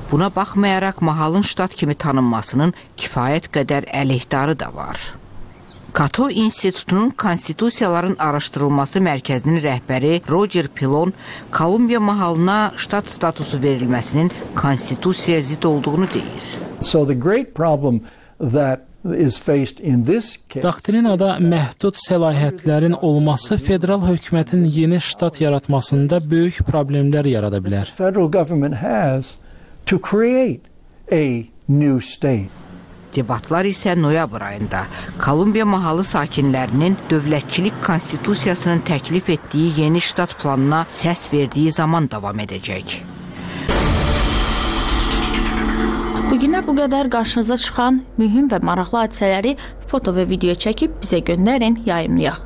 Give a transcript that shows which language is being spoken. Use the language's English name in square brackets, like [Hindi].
[Azerbaijani] Buna baxmayaraq mahalın ştat kimi tanınmasının kifayət qədər əleyhdarı da var. Kato İnstitutunun Konstitusiyaların Araşdırılması Mərkəzinin rəhbəri Roger Pilon Kolumbiya mahalına ştat statusu verilməsinin konstitusiyaya zid olduğunu deyir. [English] So the great problem that is faced in this case. [Azerbaijani] Doktrinada məhdud səlahiyyətlərin olması federal hökumətin yeni ştat yaratmasında böyük problemlər yarada bilər. [English] Federal government has to create a new state. [Azerbaijani] Debatlar isə noyabr ayında Kolumbiya mahalı sakinlərinin dövlətçilik konstitusiyasının təklif etdiyi yeni ştat planına səs verdiyi zaman davam edəcək. Bugünə bu qədər qarşınıza çıxan mühüm və maraqlı hadisələri foto və video çəkib bizə göndərin, yayımlayaq.